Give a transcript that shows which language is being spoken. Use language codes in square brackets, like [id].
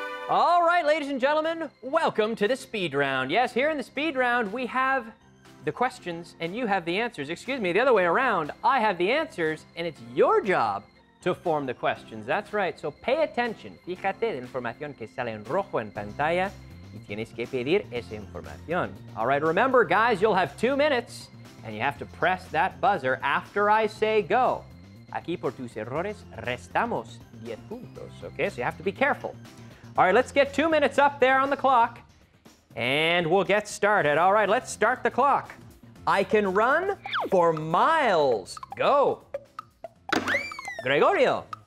[en] All right, ladies and gentlemen, welcome to the speed round. Yes, here in the speed round, we have the questions and you have the answers. Excuse me, the other way around, I have the answers and it's your job to form the questions. That's right, so pay attention. [es] Fíjate la información que sale en rojo en pantalla y tienes que pedir esa información. [en] All right, remember, guys, you'll have 2 minutes. And you have to press that buzzer after I say go. [es] Aquí por tus errores restamos 10 puntos, okay? [en] So you have to be careful. All right, let's get 2 minutes up there on the clock and we'll get started. All right, let's start the clock. I can run for miles. Go. Gregorio.